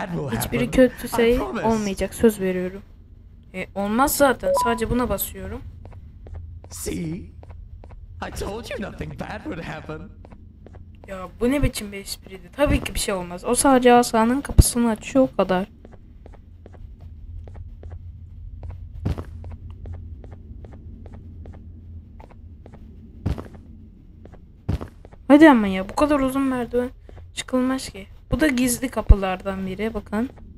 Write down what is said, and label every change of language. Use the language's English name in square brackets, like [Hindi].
[Turkish] Hiçbiri kötü şey olmayacak, söz veriyorum. Olmaz zaten, sadece buna basıyorum. [English] See? I told you nothing bad would happen. [Turkish] Ya bu ne biçim bir espriydi? Tabii ki bir şey olmaz. O sadece asanın kapısını açıyor, o kadar. Hadi ama ya, bu kadar uzun merdiven çıkılmaz ki. Bu da gizli kapılardan biri, bakın.